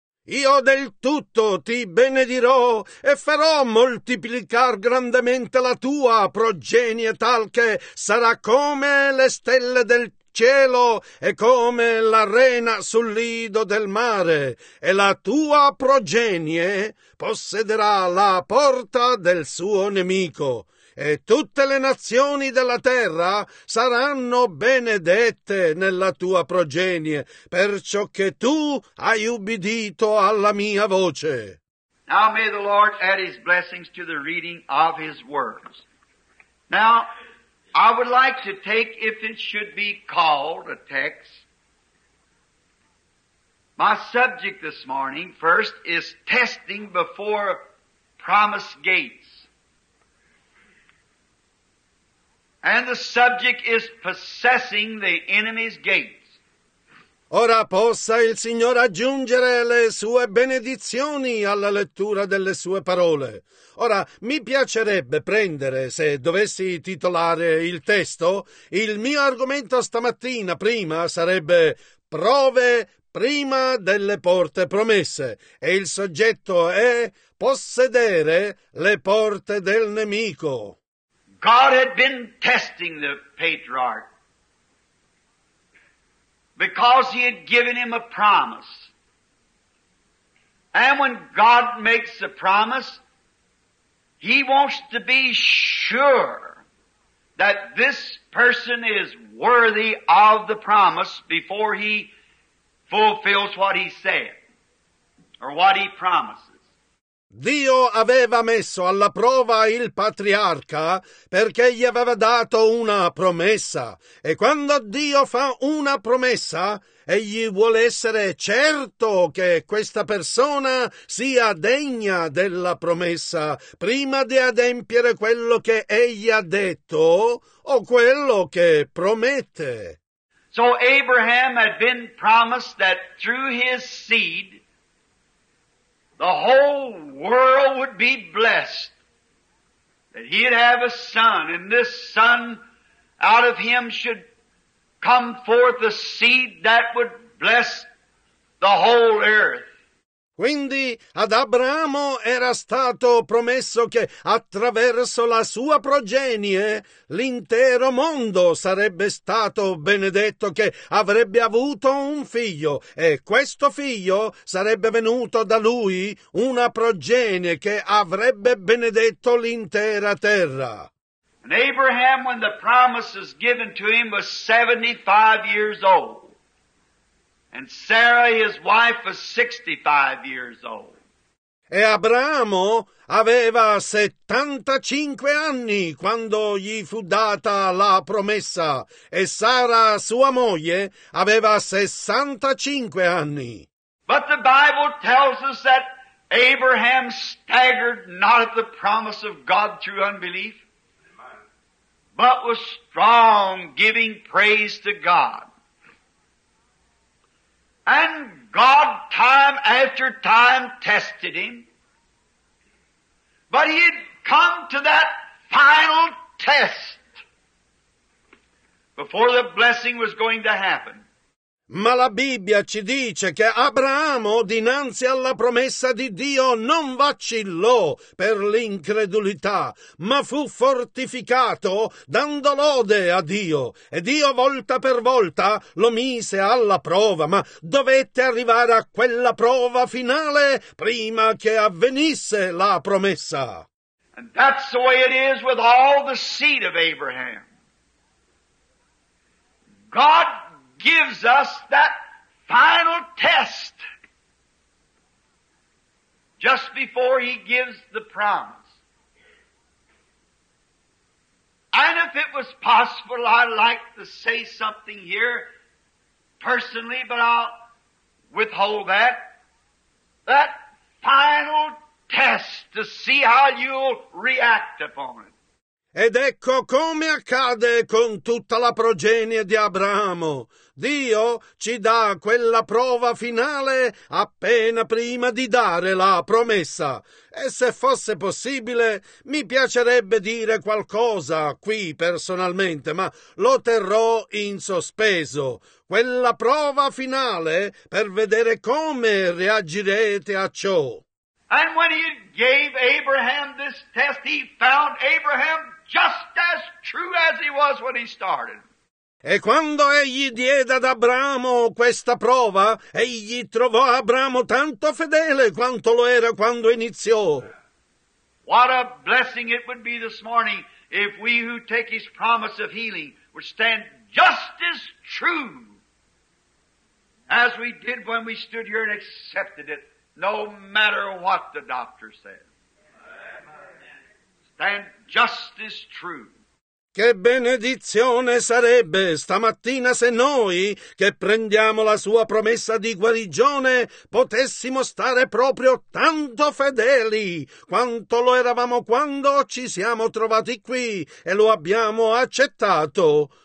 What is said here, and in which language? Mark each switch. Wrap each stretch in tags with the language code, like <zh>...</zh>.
<it>Io del tutto ti benedirò e farò moltiplicar grandemente la tua progenie tal che sarà come le stelle del cielo e come la rena sul lido del mare, e la tua progenie possederà la porta del suo nemico, e tutte le nazioni della terra saranno benedette nella tua progenie, perciò che tu hai ubbidito alla mia voce.</it> <en>Now may the Lord add his blessings to the reading of his words. Now I would like to take, if it should be called a text, my subject this morning first is testing before promised gates. And the subject is possessing the enemy's gates.</en> <it>Ora possa il Signore aggiungere le sue benedizioni alla lettura delle sue parole. Ora, mi piacerebbe prendere, se dovessi titolare il testo, il mio argomento stamattina, prima, sarebbe prove prima delle porte promesse, e il soggetto è possedere le porte del nemico.</it> <en>God had been testing the patriarch because he had given him a promise. And when God makes a promise, he wants to be sure that this person is worthy of the promise before he fulfills what he said or what he promises.</en> <it>Dio aveva messo alla prova il patriarca perché gli aveva dato una promessa. E quando Dio fa una promessa, egli vuole essere certo che questa persona sia degna della promessa prima di adempiere quello che egli ha detto o quello che promette.</it> <en>So Abraham had been promised that through his seed the whole world would be blessed, that he'd have a son, and this son out of him should come forth a seed that would bless the whole earth.</en> <it>Quindi ad Abramo era stato promesso che attraverso la sua progenie l'intero mondo sarebbe stato benedetto, che avrebbe avuto un figlio, e questo figlio sarebbe venuto da lui, una progenie che avrebbe benedetto l'intera terra.</it> <en>And Abraham, when the promise was given to him, was 75 years old. And Sarah, his wife, was 65 years old.</en> <it>E Abramo aveva 75 anni quando gli fu data la promessa, e Sara, sua moglie, aveva 65 anni.</it> <en>But the Bible tells us that Abraham staggered not at the promise of God through unbelief, but was strong, giving praise to God. And God time after time tested him. But he had come to that final test before the blessing was going to happen.</en> <it>Ma la Bibbia ci dice che Abramo, dinanzi alla promessa di Dio, non vacillò per l'incredulità, ma fu fortificato dando lode a Dio, e Dio volta per volta lo mise alla prova, ma dovette arrivare a quella prova finale prima che avvenisse la promessa.</it> <en>And that's the way it is with all the seed of Abraham. God gives us that final test just before he gives the promise. And if it was possible, I'd like to say something here personally, but I'll withhold that. That final test to see how you'll react upon it.</en> <it>Ed ecco come accade con tutta la progenie di Abramo. Dio ci dà quella prova finale appena prima di dare la promessa. E se fosse possibile, mi piacerebbe dire qualcosa qui personalmente, ma lo terrò in sospeso. Quella prova finale per vedere come reagirete a ciò.</it> <en>And when he gave Abraham this test, he found Abraham just as true as he was when he started.</en> <it>E quando egli diede ad Abramo questa prova, egli trovò Abramo tanto fedele quanto lo era quando iniziò.</it> <en>What a blessing it would be this morning if we who take his promise of healing would stand just as true as we did when we stood here and accepted it, no matter what the doctor said. Stand just as true.</en> <it>Che benedizione sarebbe stamattina se noi, che prendiamo la sua promessa di guarigione, potessimo stare proprio tanto fedeli quanto lo eravamo quando ci siamo trovati qui e lo abbiamo accettato.</it>